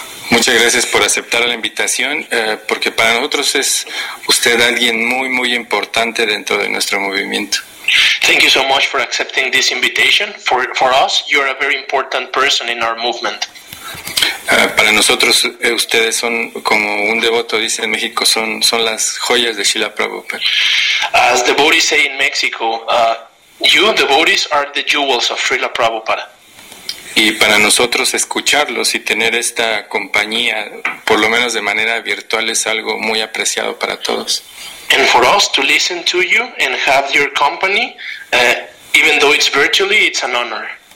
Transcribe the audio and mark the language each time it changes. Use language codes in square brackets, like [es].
[es] Muchas gracias por aceptar la invitación, porque para nosotros es usted alguien muy, muy importante dentro de nuestro movimiento. [en] Thank you so much for accepting this invitation. For us, you are a very important person in our movement. [es] Para nosotros, ustedes son, como un devoto dice en México, son las joyas de Srila Prabhupada. [en] As devotees say in Mexico, you devotees are the jewels of Srila Prabhupada. [es] Y para nosotros escucharlos y tener esta compañía, por lo menos de manera virtual, es algo muy apreciado para todos. [en] And for us to listen to you and have your company, even though it's virtually, it's an honor.